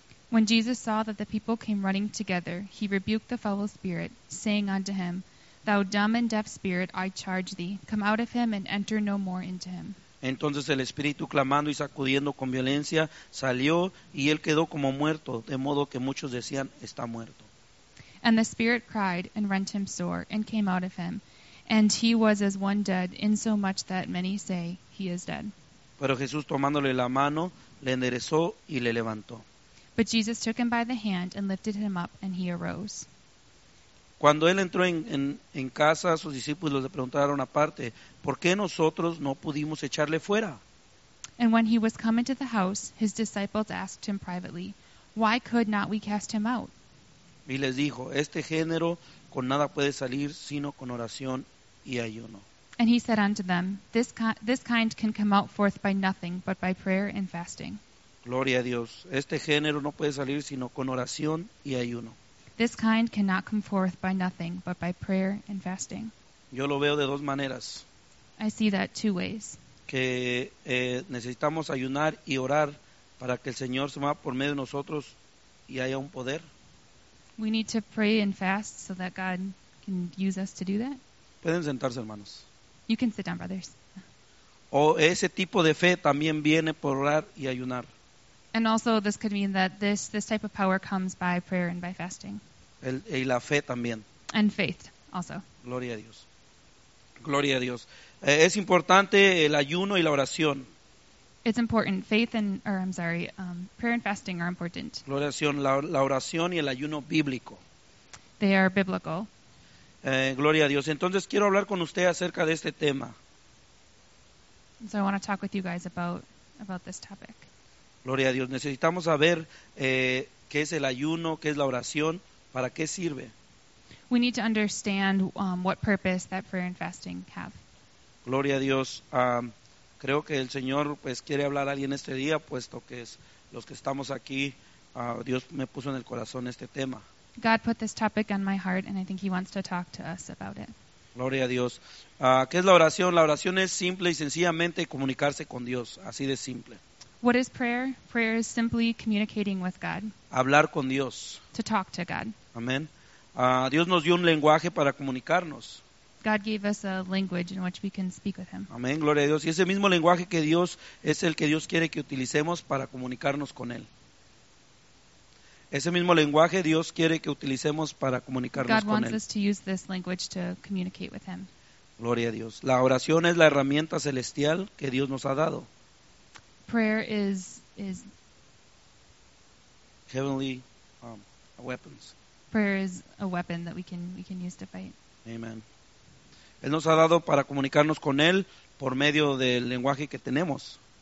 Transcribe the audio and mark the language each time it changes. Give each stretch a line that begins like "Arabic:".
English: When Jesus saw that the people came running together, he rebuked the foul spirit, saying unto him, thou dumb and deaf spirit, I charge thee, come out of him and enter no more into him.
Spanish: Entonces el espíritu clamando y sacudiendo con violencia salió y él quedó como muerto, de modo que muchos decían, está muerto.
English: And the spirit cried and rent him sore and came out of him, and he was as one dead, insomuch that many say he is dead.
Spanish: Pero Jesús tomándole la mano, le enderezó y le levantó.
English: But Jesus took him by the hand and lifted him up and he arose.
Spanish: Cuando él entró en casa, sus discípulos le preguntaron aparte, ¿por qué nosotros no pudimos echarle fuera?
English: And when he was come into the house, his disciples asked him privately, why could not we cast him out?
Spanish: Y les dijo, este género con nada puede salir sino con oración y ayuno.
English: And he said unto them, this kind can come out forth by nothing but by prayer and fasting.
Spanish: Gloria a Dios. Este género no puede salir sino con oración y ayuno.
English: This kind cannot come forth by nothing but by prayer and fasting.
Spanish: Yo lo veo de dos maneras.
English: I see that two ways.
Spanish: Que necesitamos ayunar y orar para que el Señor se mueva por medio de nosotros y haya un poder.
English: We need to pray and fast so that God can use us to do that.
Spanish: Pueden sentarse, hermanos.
English: You can sit down, brothers.
Spanish: O ese tipo de fe también viene por orar y ayunar.
English: And also this could mean that this type of power comes by prayer and by fasting.
Spanish: Y la fe también.
English: And faith also.
Spanish: Gloria a Dios. Gloria a Dios. Es importante el ayuno y la oración.
English: It's important. Prayer and fasting are important.
Spanish: Gloria a Dios. La oración y el ayuno bíblico.
English: They are biblical.
Spanish: Gloria a Dios. Entonces quiero hablar con usted acerca de este tema.
English: So I want to talk with you guys about this topic.
Spanish: Gloria a Dios. Necesitamos saber qué es el ayuno, qué es la oración, para qué sirve.
English: We need to understand what purpose that prayer and fasting have.
Spanish: Gloria a Dios. Creo que el Señor pues quiere hablar a alguien este día, puesto que es los que estamos aquí, Dios me puso en el corazón este tema.
English: God put this topic on my heart and I think he wants to talk to us about it.
Spanish: Gloria a Dios. ¿Qué es la oración? La oración es simple y sencillamente comunicarse con Dios, así de simple.
English: What is prayer? Prayer is simply communicating with God.
Spanish: Hablar con Dios.
English: To talk to God.
Spanish: Amén. Dios nos dio un lenguaje para comunicarnos.
English: God gave us a language in which we can speak with him.
Spanish: Amén, gloria a Dios. Y ese mismo lenguaje que Dios es el que Dios quiere que utilicemos para comunicarnos con él. Ese mismo lenguaje Dios quiere que utilicemos para comunicarnos
English: God
Spanish: con él.
English: God wants us to use this language to communicate with him.
Spanish: Gloria a Dios. La oración es la herramienta celestial que Dios nos ha dado.
English: Prayer is heavenly weapons. Prayer is a weapon that we can use to fight. Amen.
Spanish: Él nos ha dado para comunicarnos con él por medio del lenguaje que tenemos.